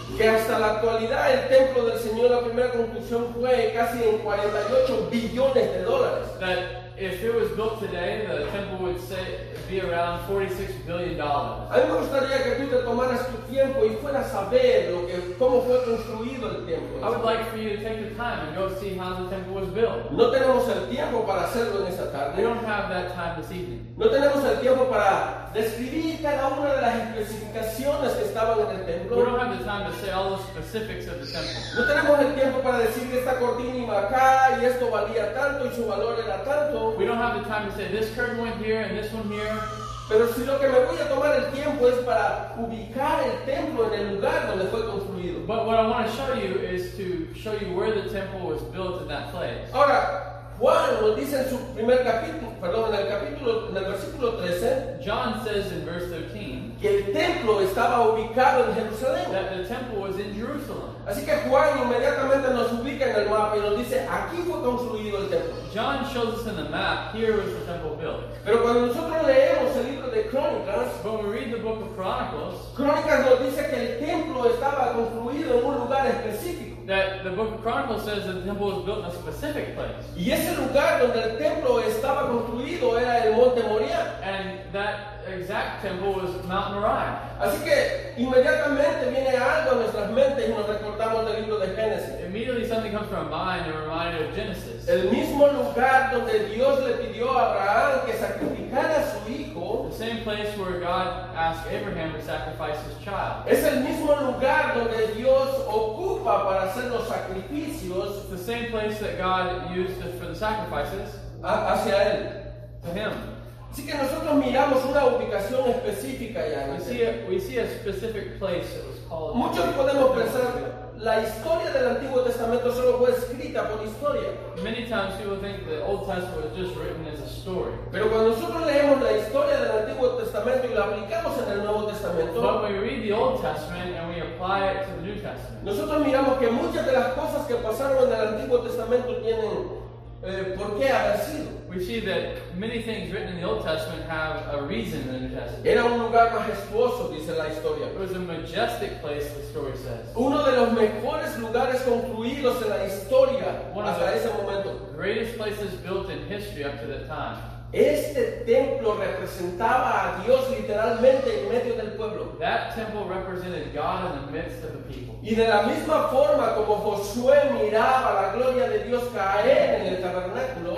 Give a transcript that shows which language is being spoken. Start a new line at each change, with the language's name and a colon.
Spanish: Que hasta la actualidad el templo del Señor, la primera construcción fue casi en 48 billones de dólares.
English: That if it was built today, the temple would say be around $46 billion.
Spanish: A mí me gustaría que tú te tomaras tu tiempo y fueras a ver cómo fue construido el templo.
English: I would like for you to take the time and go see how the temple was built.
Spanish: No tenemos el tiempo para hacerlo en esta tarde.
English: We don't have that time this evening.
Spanish: No tenemos el tiempo para describir cada una de las especificaciones que estaban en el templo.
English: We don't have the time to say all the specifics of the temple.
Spanish: No tenemos el tiempo para decir que esta cortina iba acá y esto valía tanto y su valor era tanto.
English: We don't have the time to say this curtain went here and this one here.
Spanish: Pero si lo que me voy a tomar el tiempo es para ubicar el templo en el lugar donde fue construido.
English: But what I want to show you is to show you where the temple was built in that place.
Spanish: Ahora, Juan lo dice en su primer capítulo, perdón, en el capítulo, en el versículo 13.
English: John says in verse 13
Spanish: que el templo estaba ubicado en Jerusalén.
English: That the temple was in Jerusalem.
Spanish: Así que Juan inmediatamente nos ubica en el mapa y nos dice, aquí fue construido el templo.
English: John shows us in the map, here was the temple built.
Spanish: Pero cuando nosotros leemos el libro de Crónicas,
English: when we read the book of Chronicles,
Spanish: Crónicas nos dice que el templo estaba construido en un lugar específico.
English: That the book of Chronicles says that the temple was built in a specific place.
Spanish: Y ese lugar donde el templo estaba construido era el Monte Moriah.
English: And that exact temple was Mount Moriah.
Spanish: Así que inmediatamente viene algo a nuestras mentes y nos recordamos del libro de Génesis.
English: Immediately something comes to our mind and reminds us of Genesis.
Spanish: El mismo lugar donde Dios le pidió a Abraham que sacrificara a su hijo.
English: The same place where God asked Abraham to sacrifice his child.
Spanish: Es el mismo lugar donde Dios ocupa para hacer los sacrificios.
English: The same place that God used for the sacrifices.
Spanish: Hacia él.
English: To him.
Spanish: Así que nosotros miramos una ubicación específica ya.
English: We see a specific place that was called.
Spanish: Muchos podemos pensar la historia del Antiguo Testamento solo fue escrita por historia.
English: Many times people think the Old Testament was just written as a story.
Spanish: Pero cuando nosotros leemos la historia del Antiguo Testamento y la aplicamos en el Nuevo Testamento,
English: when we read the Old Testament and we apply it to the New Testament,
Spanish: nosotros miramos que muchas de las cosas que pasaron en el Antiguo Testamento tienen por qué haber sido.
English: We see that many things written in the Old Testament have a reason in the New Testament.
Spanish: Era un lugar majestuoso, dice la historia.
English: It was a majestic place, the story says.
Spanish: Uno de los mejores lugares construidos en la historia hasta ese momento.
English: Greatest places built in history up to that time.
Spanish: Este templo representaba a Dios literalmente en medio del pueblo.
English: That temple represented God in the midst of the people.
Spanish: Y de la misma forma como Josué miraba la gloria de Dios caer en el tabernáculo.